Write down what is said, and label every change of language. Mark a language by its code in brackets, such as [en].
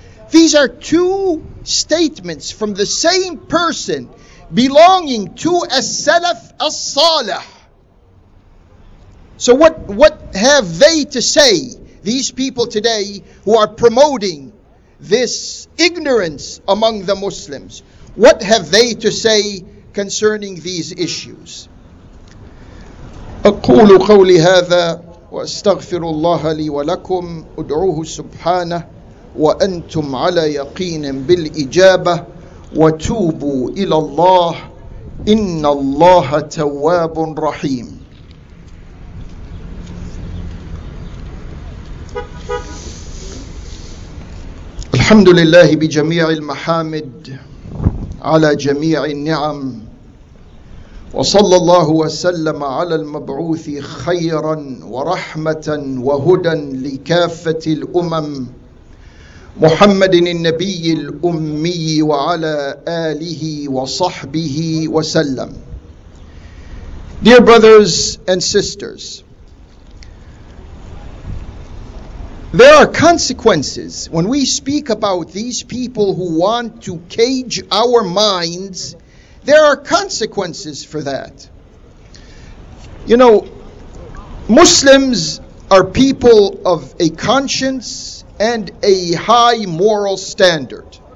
[en] These are two statements from the same person belonging to as-salaf as-salih. So what have they to say, these people today who are promoting this ignorance among the Muslims? What have they to say concerning these issues? [ar] أقول قولي هذا وأستغفر الله لي ولكم أدعوه سبحانه وأنتم على يقين بالإجابة وتوبوا إلى الله إن الله تواب رحيم. الحمد لله بجميع المحامد على جميع النعم وصلى الله وسلم على المبعوث خيرا ورحمة وهدى لكافة الأمم محمد النبي الأمي وعلى آله وصحبه وسلم. [en] Dear brothers and sisters, there are consequences when we speak about these people who want to cage our minds. There are consequences for that. You know, Muslims are people of a conscience and a high moral standard.